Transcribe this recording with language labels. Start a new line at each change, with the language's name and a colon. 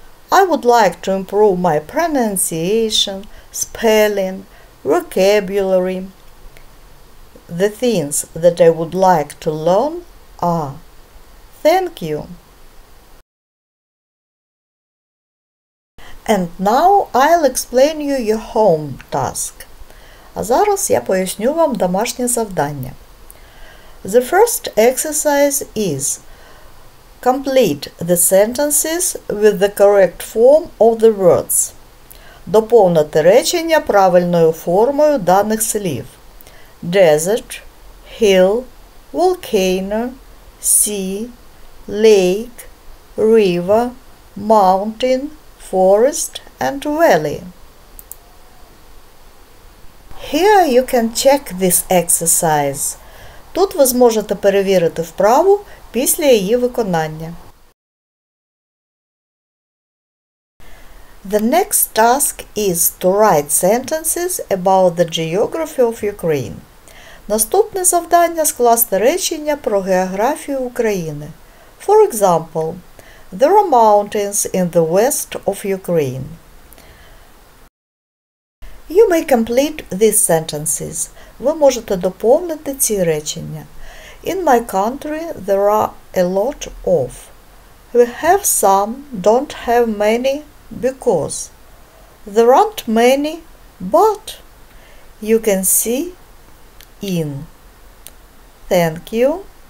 English: I would like to improve my pronunciation, spelling, vocabulary. The things that I would like to learn are. Thank you. And now I'll explain you your home task.
Ukrainian: А зараз я поясню вам домашнє завдання.
English: The first exercise is complete the sentences with the correct form of the words.
Ukrainian: Доповнити речення правильною формою даних слів.
English: Desert, hill, volcano, sea, lake, river, mountain, forest and valley. Here you can check this exercise.
Ukrainian: Тут ви зможете перевірити вправу після її виконання.
English: The next task is to write sentences about the geography of Ukraine.
Ukrainian: Наступне завдання – скласти речення про географію України.
English: For example, there are mountains in the west of Ukraine. You may complete these sentences.
Ukrainian: Ви можете доповнити ці речення.
English: In my country there are a lot of. We have some, don't have many, because. There aren't many, but. You can see in. Thank you.